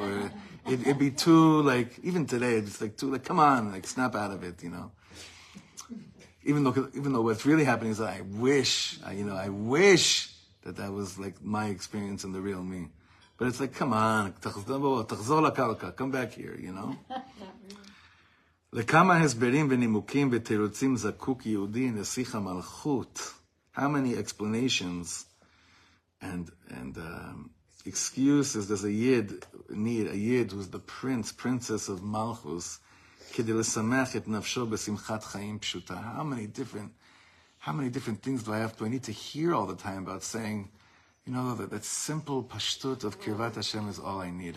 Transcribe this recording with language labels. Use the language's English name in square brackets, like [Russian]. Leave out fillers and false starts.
[English] Or it'd be too, like, even today, it's like too, like, come on, like, snap out of it, you know? Even though what's really happening is that I wish that was, like, my experience and the real me. But it's like, come on, [Hebrew] תחזור לקרקע, [English] come back here, you know? [Hebrew] לכמה הסברים ונימוקים ותירוצים זקוק יהודי נסיך המלכות? [English] How many explanations and excuses does a Yid need, a Yid who's the prince, princess of Malchus, [Hebrew] כדי לשמח את נפשו בשמחת חיים פשוטה? [English] How many different things do I need to hear all the time about saying, you know, that simple pashtut of Kirvat Hashem is all I need.